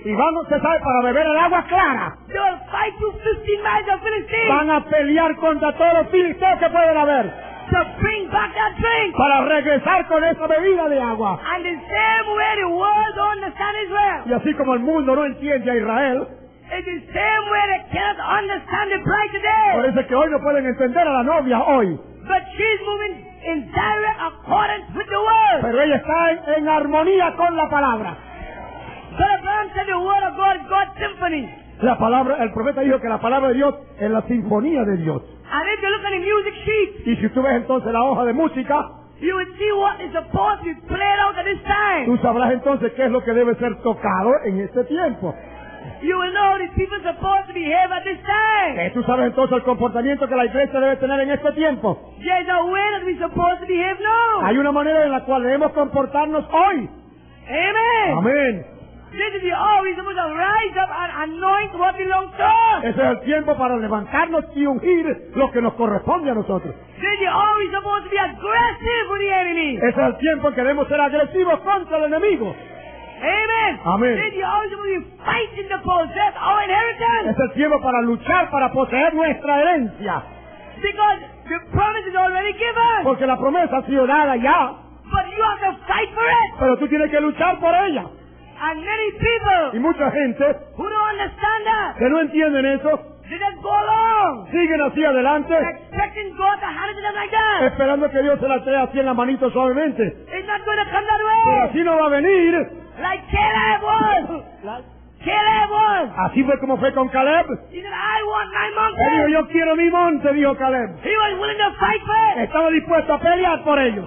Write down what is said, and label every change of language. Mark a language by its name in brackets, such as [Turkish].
[Spanish] y van a usar para beber el agua clara. [English] They will fight to 15 miles of Philistines. [Spanish] Van a pelear contra todos los filisteos que pueden haber. [English] To bring back that drink. [Spanish] Para regresar con esa bebida de agua. [English] And the same way the world don't understand Israel. [Spanish] Y así como el mundo no entiende a Israel. [English] It's the same way they cannot understand the bride today. [Spanish] Por eso es que hoy no pueden entender a la novia hoy. [English] But she's moving in direct accordance with the word. [Spanish] Pero ella está en armonía con la palabra. [English] But Abraham said the word of God, God's symphony. [Spanish] La palabra, el profeta dijo que la palabra de Dios es la sinfonía de Dios. [English] And if you look at the music sheet, [Spanish] y si tú ves entonces la hoja de música, [English] you will see what is supposed to be played out at this time. [Spanish] Tú sabrás entonces qué es lo que debe ser tocado en este tiempo. [English] You will know these people are supposed to behave at this time. [Spanish] ¿Qué tú sabes entonces el comportamiento que la iglesia debe tener en este tiempo? [English] There is a way that we are supposed to behave now. [Spanish] Hay una manera en la cual debemos comportarnos hoy. Amen. Amén. [English] This is the hour we're supposed to rise up and anoint what belongs to us. [Spanish] Ese es el tiempo para levantarnos y ungir lo que nos corresponde a nosotros. [English] This is the hour we're supposed to be aggressive with the enemy. [Spanish] Ese es el tiempo en que debemos ser agresivos contra el enemigo. Amen. Amen. [English] This is the hour we're supposed to be fighting to possess our inheritance. [Spanish] Ese es el tiempo para luchar para poseer nuestra herencia. [English] Because the promise is already given. [Spanish] Porque la promesa ha sido dada ya. [English] But you have to fight for it. [Spanish] Pero tú tienes que luchar por ella. [English] And many people, [Spanish] y mucha gente, [English] who don't understand that, [Spanish] que no entienden eso, [English] they just go along, [Spanish] siguen así adelante, [English] expecting God to hand it to them like that, [Spanish] esperando que Dios se la trae así en la manito suavemente. [English] It's not going to come that way. [Spanish] Pero así no va a venir. [English] Like Caleb was. Caleb was. [Spanish] Así fue como fue con Caleb. [English] He said, I want my mountain. [Spanish] Él dijo, yo quiero mi monte, dijo Caleb. [English] He was willing to fight for it. [Spanish] Estaba dispuesto a pelear por ellos.